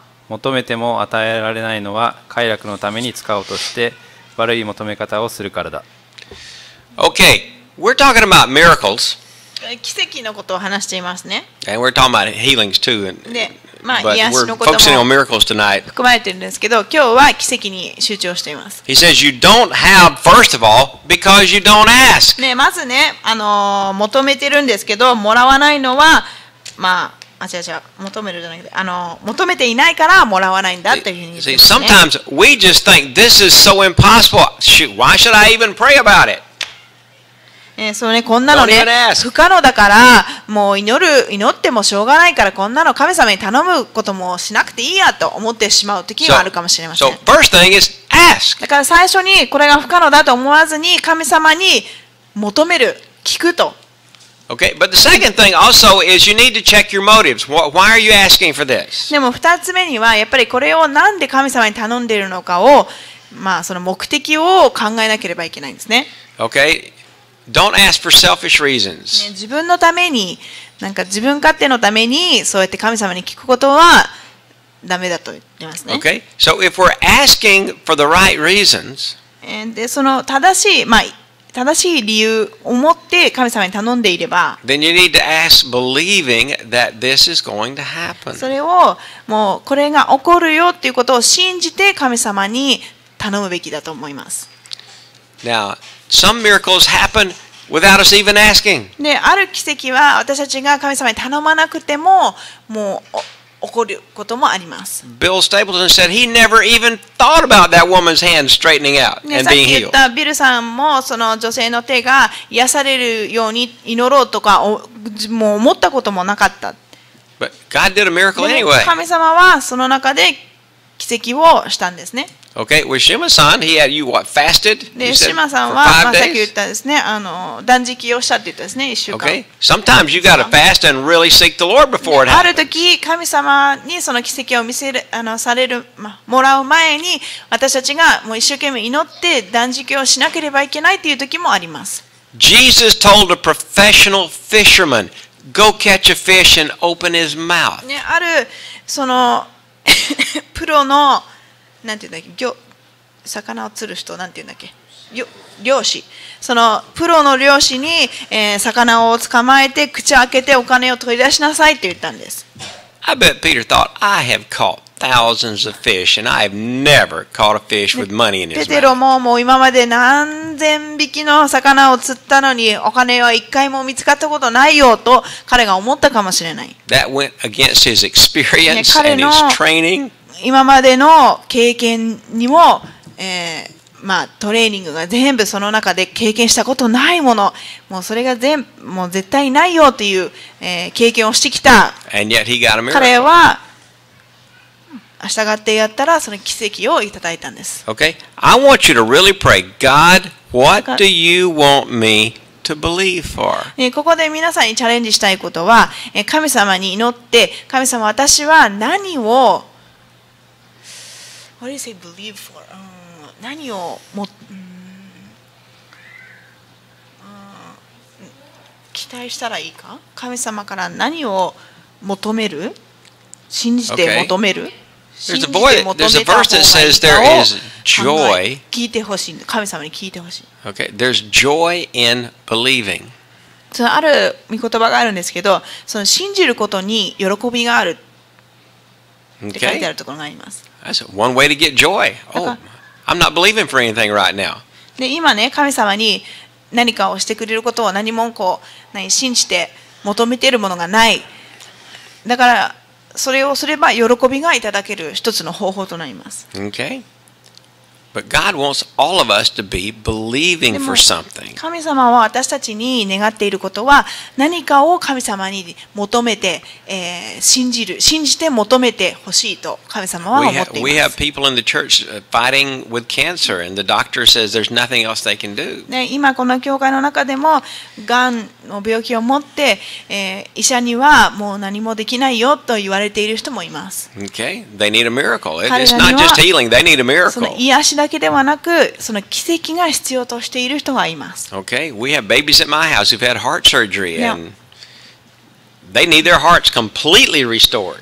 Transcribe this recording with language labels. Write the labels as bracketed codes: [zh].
[ja] 求めても与えられないのは快楽のために使おうとして悪い求め方をするからだ。 [en] Okay, we're talking about miracles. [ja] 奇跡のことを話していますね。 [en] And we're talking about healings too. [ja] で、まあ、癒しのことも [en] focusing on miracles tonight. [ja] 含まれているんですけど、今日は奇跡に集中しています。 [en] He says you don't have first of all because you don't ask. [ja] ね、まずね、求めてるんですけど、もらわないのは、まあ、求めるじゃなくて、求めていないからもらわないんだというふうに言ってますね。 [en] See, sometimes we just think this is so impossible. Shoot, why should I even pray about it? [ja] そうね、こんなのね、不可能だから、もう祈ってもしょうがないから、こんなの神様に頼むこともしなくていいやと思ってしまう時があるかもしれません。 [en] So, first thing is ask. [ja] だから最初にこれが不可能だと思わずに、神様に求める、聞くと。 [en] Okay, but the second thing also is you need to check your motives. Why are you asking for this? [ja] でも二つ目には、やっぱりこれをなんで神様に頼んでいるのかを、まあその目的を考えなければいけないんですね。 [en] Okay. Don't ask for selfish reasons. [ja] 自分のために、なんか自分勝手のために、そうやって神様に聞くことはダメだと言ってますね。 [en] Okay. So if we're asking for the right reasons, [ja] でその正しい、まあ、正しい理由を持って神様に頼んでいれば、 [en] then you need to ask believing that this is going to happen. [ja] それをもうこれが起こるよっていうことを信じて神様に頼むべきだと思います。 [en] Now. Some miracles happen without us even asking. [ja] ね、ある奇跡は私たちが神様に頼まなくてももう起こることもあります。 [en] Bill Stapleton said he never even thought about that woman's hand straightening out and being healed. [ja] ね、さっき言ったビルさんもその女性の手が癒されるように祈ろうとかもう思ったこともなかった。 [en] But God did a miracle anyway. [ja] 神様はその中で奇跡をしたんですね。 [en] Okay, with Shima-san, he had you what, fasted? [ja] で、シマさんは、まあ、さっき言ったですね、断食をしたって言ったですね、一週間。 [en] Okay, sometimes you gotta fast and really seek the Lord before it happens. [ja] ある時、神様にその奇跡を見せる、される、まあ、もらう前に、私たちがもう一生懸命祈って断食をしなければいけないっていう時もあります。 [en] Jesus told a professional fisherman, go catch a fish and open his mouth. [ja] ね、ある、その、プロの、なんていうんだっけ、魚を釣る人なんていうんだっけ、漁師、そのプロの漁師に、魚を捕まえて口を開けてお金を取り出しなさいって言ったんです。 [en] I bet Peter thought I have caught thousands of fish and I have never caught a fish with money in his mouth. [ja] ペテロももう今まで何千匹の魚を釣ったのにお金は一回も見つかったことないよと彼が思ったかもしれない。 [en] That went against his experience and his training. [ja] 今までの経験にも、まあ、トレーニングが全部その中で経験したことないもの、もうそれが全もう絶対ないよという、経験をしてきた。 [en] And yet he got a miracle. [ja] 彼は従ってやったらその奇跡をいただいたんです。 [en] Okay. I want you to really pray. God, what do you want me to believe for? [ja] ここで皆さんにチャレンジしたいことは、神様に祈って、神様私は何を [en] What do you say believe for? [ja] 何をも、期待したらいいか？神様から何を求める？信じて求める？ [en] There's a verse that says there is joy. [ja] 聞いてほしい。神様に聞いてほしい。 [en] Okay, there's joy in believing. [ja] そのある御言葉があるんですけど、その信じることに喜びがあるって書いてあるところがあります。 [en] That's one way to get joy. Oh, I'm not believing for anything right now. [ja] で今ね、神様に何かをしてくれることを何もこう何信じて求めているものがない。だからそれをすれば喜びがいただける一つの方法となります。 [en] Okay. But God wants all of us to be believing for something. [ja] 神様は私たちに願っていることは何かを神様に求めて、信じる、信じて求めてほしいと神様は思っています。 [en] We have people in the church fighting with cancer, and the doctor says there's nothing else they can do. [ja] 今この教会の中でも、がんの病気を持って、医者にはもう何もできないよと言われている人もいます。 [en] Okay, they need a miracle. It's not just healing, they need a miracle. [ja] その癒しだけではなく、その奇跡が必要としている人がいます。 [en] Okay, we have babies at my house who've had heart surgery and they need their hearts completely restored.